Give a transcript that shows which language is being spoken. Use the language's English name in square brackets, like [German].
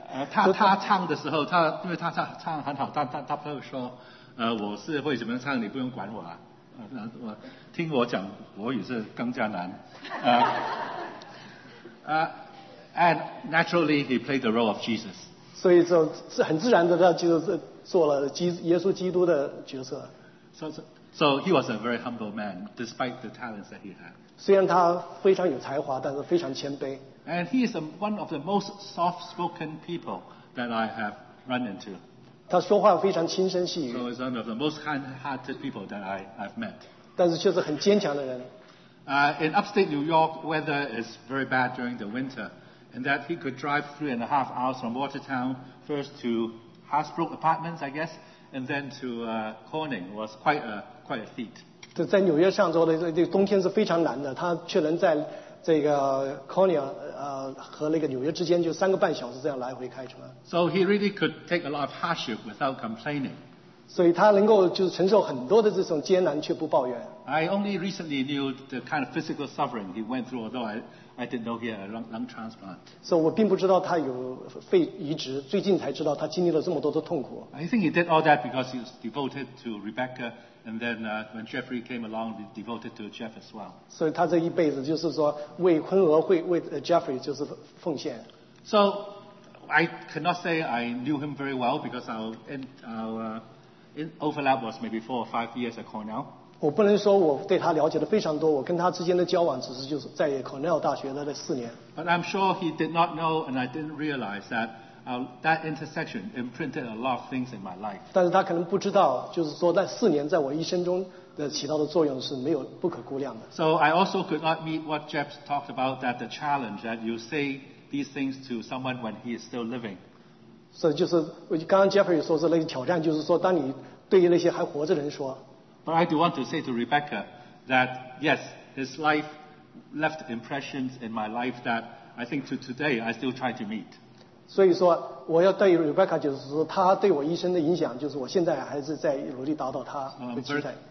[Chinese] 他唱的时候，因为他唱很好，他不会说，我是会怎么唱，你不用管我啊。我听我讲国语是更加难。 [English] And naturally, he played the role of Jesus. [Chinese] 所以就是很自然的，他就是做了耶稣基督的角色。 [English] So he was a very humble man, despite the talents that he had. [Chinese] 虽然他非常有才华，但是非常谦卑。 [English] And he is one of the most soft-spoken people that I have run into. [Chinese] 他说话非常轻声细语。 [English] So he's one of the most kind-hearted people that I've met. [Chinese] 但是却是很坚强的人。 [English] In upstate New York, weather is very bad during the winter. And that he could drive 3.5 hours from Watertown first to Hasbrook Apartments, I guess, and then to Corning was quite a feat. [Chinese] 在纽约上周的这冬天是非常难的，他却能在这个 Corning 和那个纽约之间就3.5小时这样来回开车。 [English] So he really could take a lot of hardship without complaining. [Chinese] 所以他能够就是承受很多的这种艰难却不抱怨。 [English] I only recently knew the kind of physical suffering he went through, although I didn't know he had a lung transplant. [Chinese] So 我并不知道他有肺移植，最近才知道他经历了这么多的痛苦。 [English] I think he did all that because he was devoted to Rebecca, and then when Jeffrey came along, he devoted to Jeff as well. [Chinese] 所以他这一辈子就是说为昆娥会为 Jeffrey 就是奉献。 [English] So I cannot say I knew him very well because our overlap was maybe 4 or 5 years at Cornell. [Chinese] 我不能说我对他了解的非常多，我跟他之间的交往只是就是在 Cornell 大学的那4年。 [English] But I'm sure he did not know, and I didn't realize that that intersection imprinted a lot of things in my life. [Chinese] 但是他可能不知道，就是说那四年在我一生中的起到的作用是没有不可估量的。 [English] So I also could not meet what Jeff talked about, that the challenge that you say these things to someone when he is still living. [Chinese] So 就是刚刚 Jeffrey 说是那个挑战，就是说当你对于那些还活着的人说。 [English] But I do want to say to Rebecca that yes, his life left impressions in my life that I think to today I still try to meet. [Chinese] 所以说，我要对 Rebecca 就是说，他对我一生的影响，就是我现在还是在努力达到他的期待。